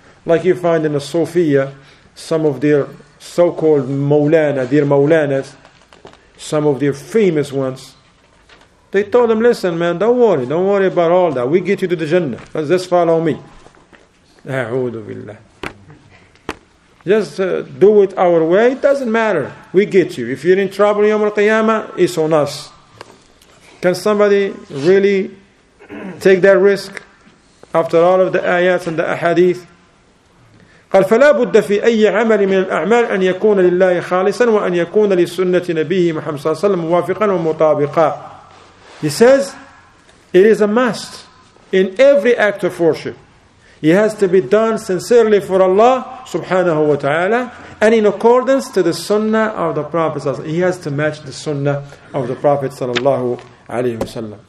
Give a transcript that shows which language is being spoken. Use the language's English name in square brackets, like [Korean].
[English] Like you find in the Sufiya, some of their so-called Mawlana, their Mawlanas, some of their famous ones, they told them, listen man, don't worry about all that. We get you to the Jannah. Just follow me. A'udhu billah. Just do it our way, it doesn't matter. We get you. If you're in trouble, Yawm al-Qiyamah, it's on us. Can somebody really take that risk after all of the ayats and the ahadith? [Arabic] قال فلا بد في أي عمل من الأعمال أن يكون لله خالصا وأن يكون لسنة نبيه محمد صلى الله عليه وسلم موافقا ومطابقا. [English] He says, it is a must in every act of worship. It has to be done sincerely for Allah subhanahu wa ta'ala and in accordance to the sunnah of the Prophet. He has to match the sunnah of the Prophet sallallahu alayhi wa sallam.